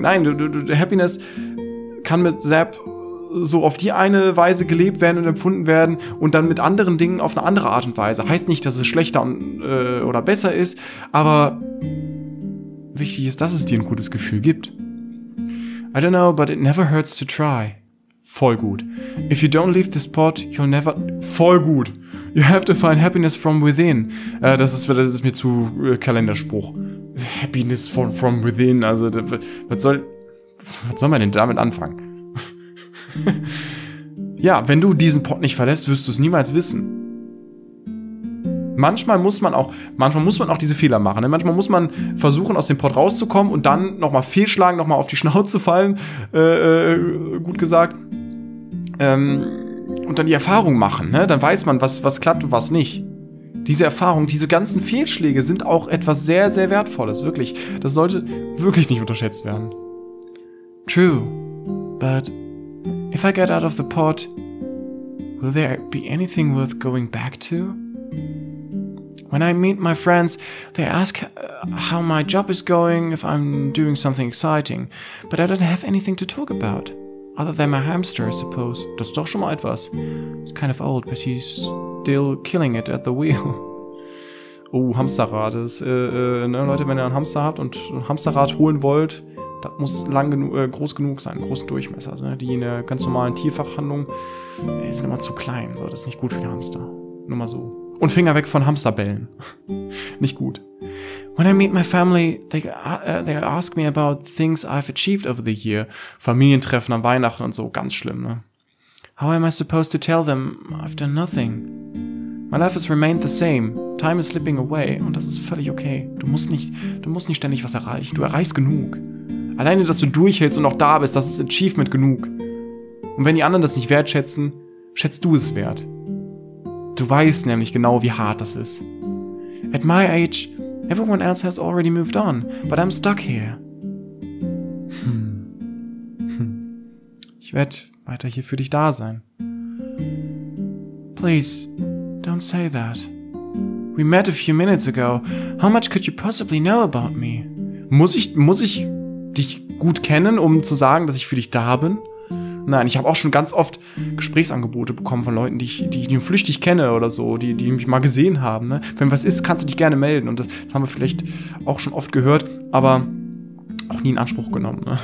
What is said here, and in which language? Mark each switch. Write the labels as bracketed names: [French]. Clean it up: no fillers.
[German] Nein, Happiness kann mit Sepp so auf die eine Weise gelebt werden und empfunden werden und dann mit anderen Dingen auf eine andere Art und Weise. Heißt nicht, dass es schlechter oder besser ist, aber wichtig ist, dass es dir ein gutes Gefühl gibt. [English] I don't know, but it never hurts to try. [German] Voll gut. [English] If you don't leave this pot, you'll never... [German] Voll gut. [English] You have to find happiness from within. [German] Das ist mir zu Kalenderspruch. [English] Happiness from within, [German] also was soll man denn damit anfangen? Ja, wenn du diesen Pott nicht verlässt, wirst du es niemals wissen. Manchmal muss man auch diese Fehler machen. Ne? Manchmal muss man versuchen, aus dem Pott rauszukommen und dann nochmal fehlschlagen, nochmal auf die Schnauze fallen, gut gesagt. Und dann die Erfahrung machen, ne? Dann weiß man, was klappt und was nicht. Diese Erfahrung, diese ganzen Fehlschläge sind auch etwas sehr, sehr Wertvolles, wirklich. Das sollte wirklich nicht unterschätzt werden. [English] True, but if I get out of the pot, will there be anything worth going back to? When I meet my friends, they ask how my job is going, if I'm doing something exciting, but I don't have anything to talk about, other than my hamster, I suppose. [German] Das ist doch schon mal etwas. [English] It's kind of old, but he's still killing it at the wheel. [German] Oh, Hamsterrad. Das ist, ne, Leute, wenn ihr einen Hamster habt und ein Hamsterrad holen wollt, das muss groß genug sein, großen Durchmesser. Also, ne, die in der ganz normalen Tierfachhandlung ist immer zu klein. So, das ist nicht gut für den Hamster. Nur mal so. Und Finger weg von Hamsterbällen. Nicht gut. [English] When I meet my family, they ask me about things I've achieved over the year. [German] Familientreffen an Weihnachten und so, ganz schlimm, ne? [English] How am I supposed to tell them I've done nothing? My life has remained the same. Time is slipping away. [German] Und das ist völlig okay. Du musst nicht ständig was erreichen. Du erreichst genug. Alleine, dass du durchhältst und noch da bist, das ist Achievement genug. Und wenn die anderen das nicht wertschätzen, schätzt du es wert. Du weißt nämlich genau, wie hart das ist. [English] At my age, everyone else has already moved on, but I'm stuck here. [German] Ich werde weiter hier für dich da sein. [English] Please, don't say that. We met a few minutes ago. How much could you possibly know about me? [German] Muss ich dich gut kennen, um zu sagen, dass ich für dich da bin? Nein, ich habe auch schon ganz oft Gesprächsangebote bekommen von Leuten, die ich flüchtig kenne oder so, die mich mal gesehen haben. Ne? Wenn was ist, kannst du dich gerne melden. Und das haben wir vielleicht auch schon oft gehört, aber auch nie in Anspruch genommen. Ne?